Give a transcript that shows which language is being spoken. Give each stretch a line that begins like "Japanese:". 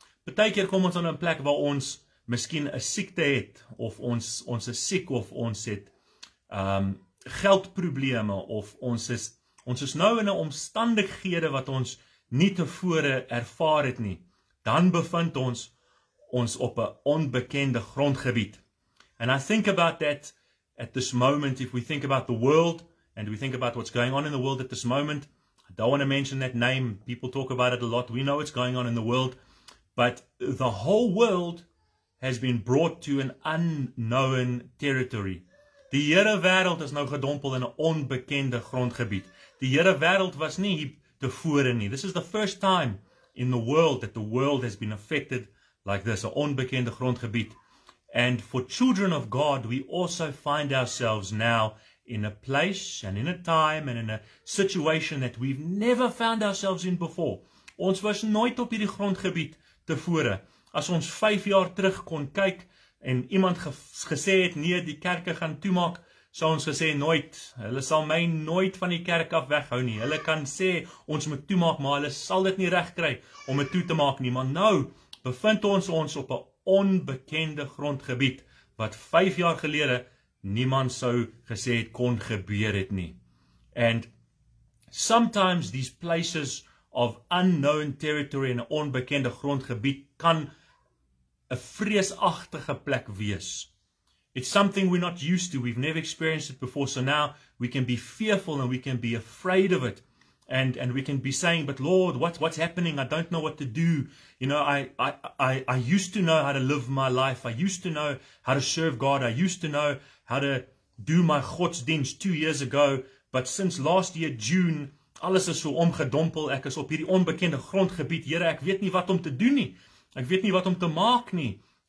Afrikaans: Partykeer kom ons aan 'n plek waar ons miskien 'n siekte het, of ons is siek, of ons het geldprobleme, of ons is nou in 'n omstandighede wat ons nie tevore ervaar het nie, dan bevind ons op 'n onbekende grondgebied.
English: And I think about that at this moment, if we think about the world, and we think about what's going on in the world at this moment, I don't want to mention that name, people talk about it a lot, we know what's going on in the world, but the whole world has been brought to an unknown territory.
Afrikaans: Die hele wêreld is nou gedompel in 'n onbekende grondgebied. Die hele wêreld was nie hier tevore nie.
English: This is the first time in the world that the world has been affected like this, an
Afrikaans: onbekende grondgebied.
English: And for children of God, we also find ourselves now in a place and in a time and in a situation that we've never found ourselves in before.
Afrikaans: Ons was nooit op hierdie grondgebied tevore. As ons 5 jaar terug kon kyk en iemand gesê het, nee, die kerke gaan toemaak, sou ons gesê nooit, hulle sal my nooit van die kerk af weghou nie. Hulle kan sê ons moet toemaak, maar hulle sal dit nie regkry om dit toe te maak nie. Maar nou bevind ons op 'n onbekende grondgebied wat 5 jaar gelede niemand sou gesê het kon gebeur het nie. And
English: Sometimes these places of unknown territory in
Afrikaans: 'n onbekende grondgebied kan 'n vreesagtige plek wees.
English: It's something we're not used to. We've never experienced it before. So now we can be fearful and we can be afraid of it. And we can be saying, but Lord, what's happening? I don't know what to do. You know, I used to know how to live my life. I used to know how to serve God. I used to know how to do my godsdienst 2 years ago. But since last year, June,
Afrikaans: alles is so omgedompel. Ek is op hierdie onbekende grondgebied. Here, ek weet nie wat om te doen nie. Ek weet nie wat om te maak nie.